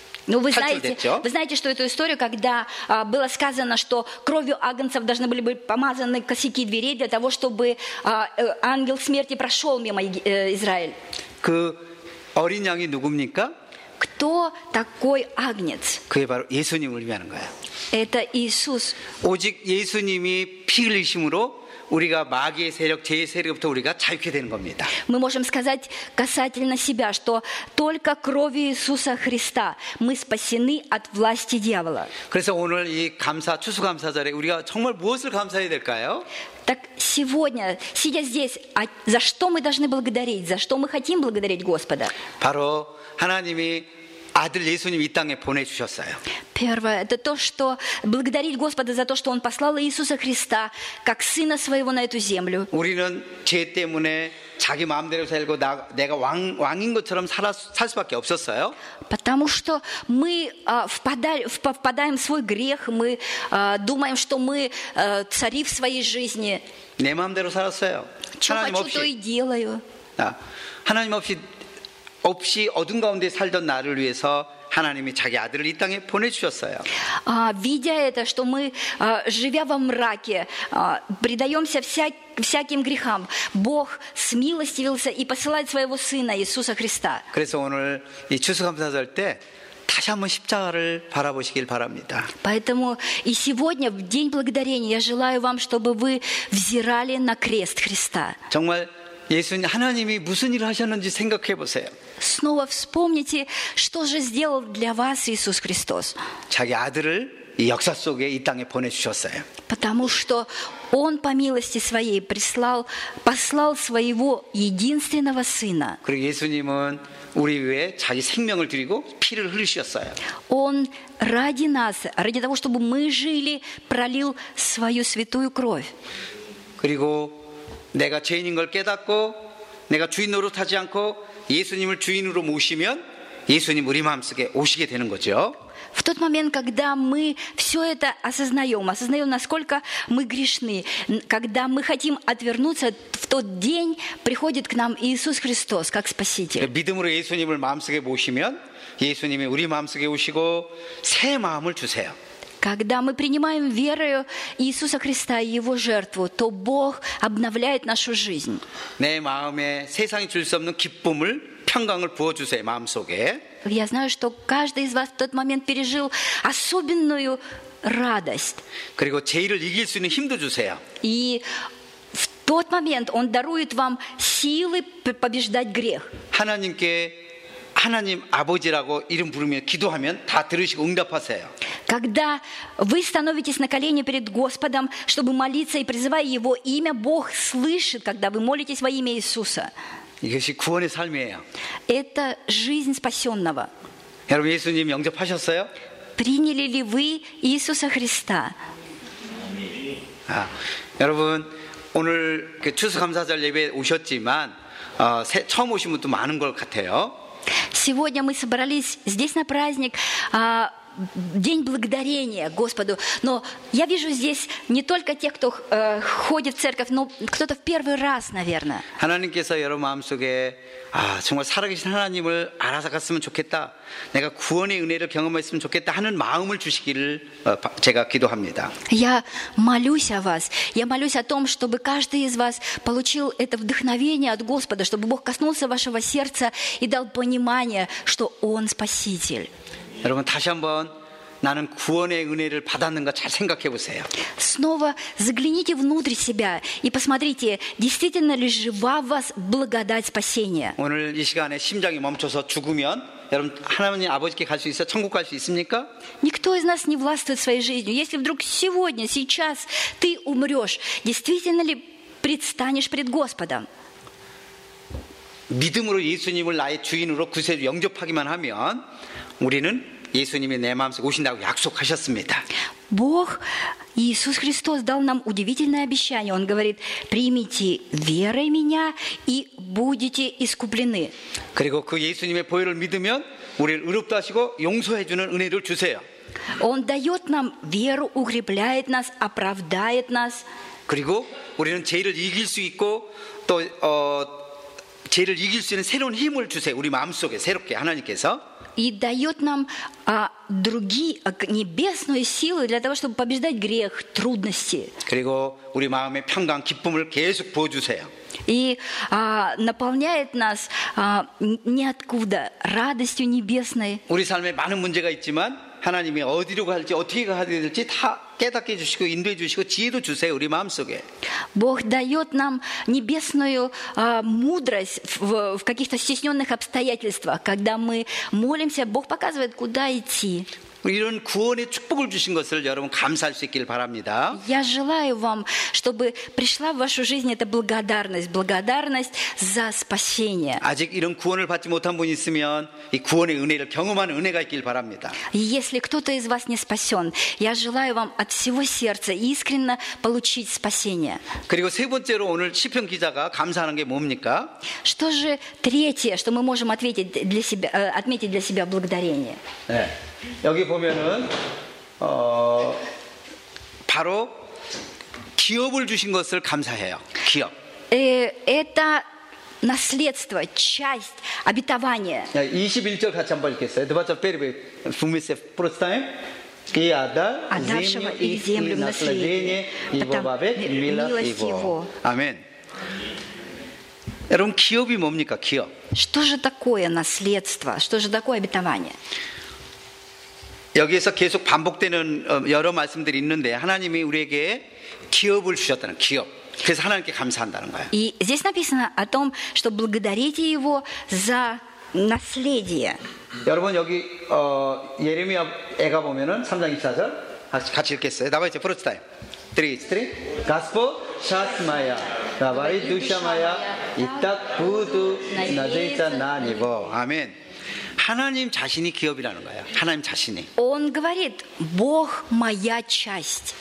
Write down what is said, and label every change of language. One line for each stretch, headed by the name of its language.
Russian: Ну, вы знаете, что эту историю, когда было сказано, что кровью агнцев должны были быть помазаны косяки дверей для того, чтобы ангел смерти прошел мимо Израиль.
Korean: 그 어린 양이 누굽니까?
Russian: Кто такой агнец?
Korean: 그게 바로 예수님을 의미하는 거야.
Russian: Это Иисус.
Korean: 오직 예수님이 피 흘리심으로 우리가 마귀의 세력, 죄의 세력부터 우리가 자유케 되는 겁니다.
Russian: Мы можем сказать касательно себя, что только кровью Иисуса Христа мы спасены от власти дьявола.
Korean: 그래서 오늘 이 감사 추수감사절에 우리가 정말 무엇을 감사해야 될까요?
Russian: Так сегодня, сидя здесь, за что мы должны благодарить? За что мы хотим благодарить Господа?
Korean: 바로 하나님이 아들 예수님 이 땅에 보내 주셨어요.
Russian: Первое это то, что благодарить Господа за то, что он послал Иисуса Христа как сына своего на эту землю.
Korean: 우리는 죄 때문에 자기 마음대로 살고 내가 왕인 것처럼 살 수밖에 없었어요.
Russian: Потому что мы впадаем в свой грех, мы думаем, что мы цари в своей жизни.
Korean: 내 마음대로 살았어요. 하나님 없이
Russian: что хочу, то и делаю.
Korean: 아, 하나님 없이 없이 어둠 가운데 살던 나를 위해서 하나님이 자기 아들을 이 땅에 보내주셨어요.
Russian: Видя это, что мы живя во мраке, предаемся всяким грехам, Бог смилостивился и посылает своего сына Иисуса Христа.
Korean: 그래서 오늘 이 추수감사절 때 다시 한번 십자가를 바라보시길 바랍니다.
Russian: Поэтому и сегодня в день благодарения я желаю вам, чтобы вы взирали на крест Христа.
Korean: 정말 예수님 하나님이 무슨 일을 하셨는지 생각해 보세요.
Russian: Снова вспомните, что же сделал для вас Иисус Христос.
Korean: 자기 아들을 이 역사 속에 이 땅에 보내주셨어요.
Russian: Потому что Он по милости своей послал своего единственного Сына.
Korean: 그리고 예수님은 우리 위해 자기 생명을 드리고 피를 흘리셨어요.
Russian: Он ради нас, ради того, чтобы мы жили, пролил свою святую кровь.
Korean: 그리고 내가 죄인인 걸 깨닫고 내가 주인 노릇하지 않고 예수님을 주인으로 모시면 예수님 우리 마음속에 오시게 되는 거죠.
Russian: В тот момент, когда мы все это осознаем, насколько мы грешны, когда мы хотим отвернуться, в тот день приходит к нам Иисус Христос как Спаситель.
Korean: 믿음으로 예수님을 마음속에 모시면 예수님이 우리 마음속에 오시고 새 마음을 주세요.
Russian: Когда мы принимаем верою Иисуса Христа и Его жертву, то Бог обновляет нашу жизнь.
Korean: 내 마음에 세상이 줄 수 없는 기쁨을 평강을 부어주세요 마음속에.
Russian: Я знаю, что каждый из вас в тот момент пережил особенную радость.
Korean: 그리고 죄를 이길 수 있는 힘도 주세요.
Russian: И в тот момент он дарует вам силы побеждать грех.
Korean: 하나님께 하나님 아버지라고 이름 부르며 기도하면 다 들으시고 응답하세요.
Russian: Когда вы становитесь на колени перед Господом, чтобы молиться и призывая его имя, Бог слышит, когда вы молитесь во имя Иисуса.
Korean: 이것이 구원의 삶이에요.
Russian: Это жизнь спасённого.
Korean: 여러분 예수님 영접하셨어요?
Russian: Приняли ли вы Иисуса Христа?
Korean: 아, 여러분 오늘 그 추수 감사절 예배에 오셨지만 처음 오신 분도 많은 걸 같아요.
Russian: Сегодня мы собрались здесь на праздник, День благодарения Господу. Но я вижу здесь не только тех, кто ходит в церковь, но кто-то в первый раз, наверное.
Korean: 하나님께서 여러분 마음속에 정말 살아계신 하나님을 알아갔으면 좋겠다. 내가 구원의 은혜를 경험했으면 좋겠다 하는 마음을 주시기를 제가 기도합니다.
Russian: Я молюсь о вас. Я молюсь о том, чтобы каждый из вас получил это вдохновение от Господа, чтобы Бог коснулся вашего сердца и дал понимание, что Он Спаситель.
Korean: 여러분 다시 한번 나는 구원의 은혜를 받았는가 잘 생각해 보세요.
Russian: Снова загляните внутрь себя и посмотрите, действительно ли жива в вас благодать спасения.
Korean: 오늘 이 시간에 심장이 멈춰서 죽으면 여러분 하나님 아버지께 갈 수 있어요? 천국 갈 수 있습니까?
Russian: Никто из нас не властвует своей жизнью. Если вдруг сегодня, сейчас ты умрёшь, действительно ли предстанешь пред Господом?
Korean: 믿음으로 예수님을 나의 주인으로 구세주 영접하기만 하면 우리는 예수님이 내 마음속에 오신다고 약속하셨습니다.
Russian: Бог Иисус Христос дал нам удивительное обещание. Он говорит: "Примите верой меня и будете искуплены".
Korean: 그리고 그 예수님의 보혈을 믿으면 우리를 의롭다 하시고 용서해 주는 은혜를 주세요.
Russian: Он даёт нам веру, укрепляет нас, оправдывает нас.
Korean: 그리고 우리는 죄를 이길 수 있고 또 죄를 이길 수 있는 새로운 힘을 주세요. 우리 마음속에 새롭게 하나님께서
Russian: и даёт нам другие небесные силы для того, чтобы побеждать грех, трудности.
Korean: 그리고 우리 마음의 평강, 기쁨을 계속 부어 주세요.
Russian: И наполняет нас ниоткуда радостью небесной.
Korean: 우리 삶에 많은 문제가 있지만 하나님이 어디로 갈지 어떻게 가야 될지 다 깨닫게 해 주시고 인도해 주시고 지혜도 주세요. 우리 마음속에.
Russian: Бог даёт нам небесную мудрость в каких-то стеснённых обстоятельствах. Когда мы молимся, Бог показывает, куда идти.
Korean: 이런 구원의 축복을 주신 것을 여러분 감사할 수 있길 바랍니다.
Russian: Я желаю вам, чтобы пришла в вашу жизнь эта благодарность, благодарность за спасение.
Korean: 아직 이런 구원을 받지 못한 분 있으면 이 구원의 은혜를 경험하는 은혜가 있길 바랍니다.
Russian: Если кто-то из вас не спасён, я желаю вам от всего сердца искренне получить спасение.
Korean: 그리고 세 번째로 오늘 시편 기자가 감사하는 게 뭡니까?
Russian: Что же третье, что мы можем ответить для себя, отметить для себя благодарение?
Korean: 네. 여기 보면은 바로 기업을 주신 것을 감사해요. 기업.
Russian: Это наследство, часть обетования.
Korean: 야, 21절 같이 한번 읽겠어요. 드바자 베르베 부미세 프로스타임. 기아다
Russian: земля и землю наследие.
Korean: 이바베 밀라스 이보. 아멘. 여러분 기업이 뭡니까? 기업.
Russian: Что же такое наследство? Что же такое обетование?
Korean: 여기에서 계속 반복되는 여러 말씀들이 있는데 하나님이 우리에게 기업을 주셨다는 기업. 그래서 하나님께 감사한다는 거예요.
Russian: И здесь написано о том, что благодарите его за наследие.
Korean: 여러분 여기 예레미야 애가 보면은 3장 24절 같이 읽겠어요. 나와있죠.
Russian: 프로스타임. 3:3. Господь спас меня. Говори душа моя, и так буду надеяться на него.
Korean: 아멘. 하나님 자신이 기업이라는 거예요. 하나님 자신이.
Russian: Он говорит: "Бог моя часть".